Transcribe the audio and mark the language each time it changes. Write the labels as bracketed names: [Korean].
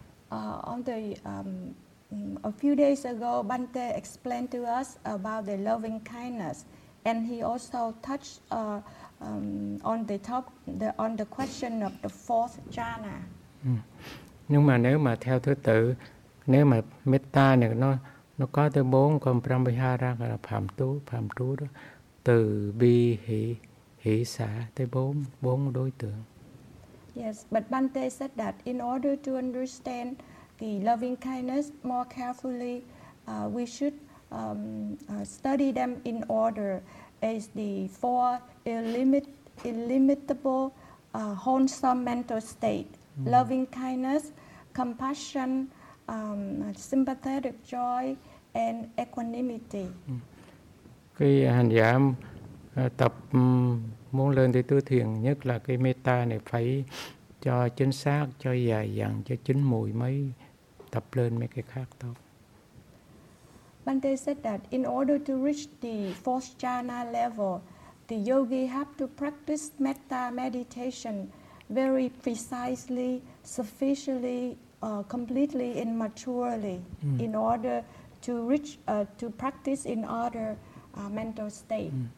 [English] A few days ago, Bhante explained to us about the loving kindness, and he also touched on the question of the fourth jhana. [Vietnamese] Nhưng mà nếu mà theo thứ tự, nếu mà metta này nó có tới bốn con brahmihara là phạm trú đó, từ bi hỷ xả tới bốn đối tượng. [English] Yes, but Bhante said that in order to understand the loving kindness more carefully, we should study them in order as the four illimitable wholesome mental state: loving kindness, compassion, sympathetic joy, and equanimity. [Vietnamese] Khi hành giả tập muốn lên tới tứ thiền, nhất là cái metta này phải cho chính xác, cho dài dặn, cho chính mùi mới tập lên mấy cái khác tốt. [English] Bhante said that in order to reach the fourth jhana level, the yogi have to practice metta meditation very precisely, sufficiently, completely and maturely in order to reach to practice in order mental state.